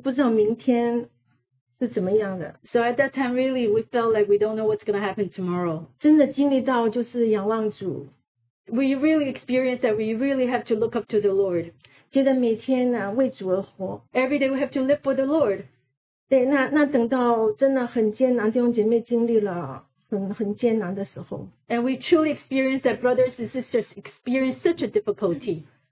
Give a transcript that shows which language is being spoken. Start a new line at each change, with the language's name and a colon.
Chinese: 那真的那时候好像真的不知道明天是怎么样的。
English: So at that time, really, we felt like we don't know what's going to happen tomorrow.
Chinese: 真的经历到就是仰望主。
English: We really experienced that we really have to look up to the Lord.
Chinese: 觉得每天为主而活。
English: Every day we have to live for the Lord.
Chinese: 对，那等到真的很艰难，弟兄姐妹经历了很艰难的时候。
English: And we truly experienced that brothers and sisters experienced such a difficulty.